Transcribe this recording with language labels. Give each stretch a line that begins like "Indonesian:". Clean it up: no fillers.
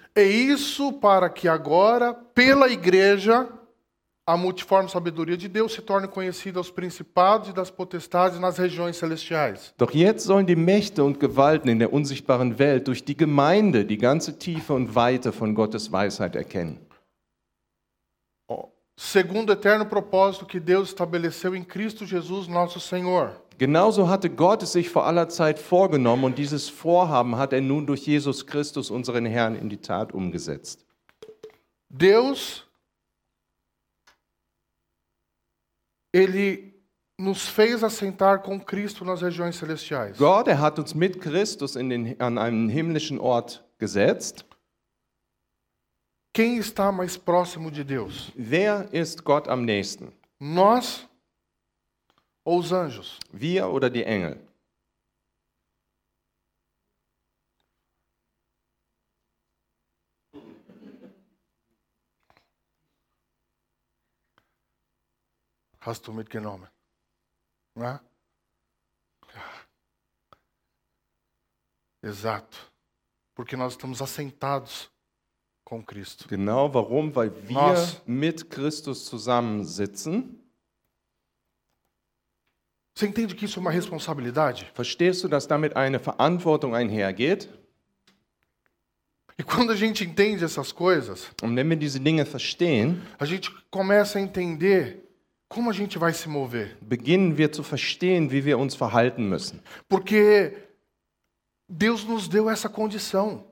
Portuguese: É isso para que agora, pela igreja, a multiforme sabedoria de Deus se torne conhecida aos principados e das potestades nas regiões celestiais.
German: Doch jetzt sollen die Mächte und Gewalten in der unsichtbaren Welt durch die Gemeinde die ganze Tiefe und Weite von Gottes Weisheit erkennen.
Portuguese: Segundo o eterno propósito que Deus estabeleceu em Cristo Jesus, nosso Senhor.
German: Genauso hatte Gott es sich vor aller Zeit vorgenommen und dieses Vorhaben hat nun durch Jesus Christus, unseren Herrn, in die Tat umgesetzt.
Portuguese: Deus, ele nos fez assentar com Cristo nas regiões celestiais.
German: Gott, hat uns mit Christus an einen himmlischen Ort gesetzt.
Portuguese: Quem está mais próximo de Deus?
German: Wer ist Gott am nächsten?
Portuguese: Nós ou os anjos?
German: Wir oder die Engel? Hast du mitgenommen? Ja? Ja. Exato.
Portuguese: Porque nós estamos assentados com Cristo.
German: Genau, warum? Weil wir nós mit Christus zusammensitzen.
Portuguese: Você entende que isso é uma responsabilidade?
German: Verstehst du, dass damit eine Verantwortung einhergeht?
Portuguese: E quando a gente entende essas coisas,
German: und wenn wir diese Dinge verstehen,
Portuguese: a gente começa a entender como a gente vai se mover.
German: Beginnen wir zu verstehen, wie wir uns verhalten müssen.
Portuguese: Porque Deus nos deu essa condição.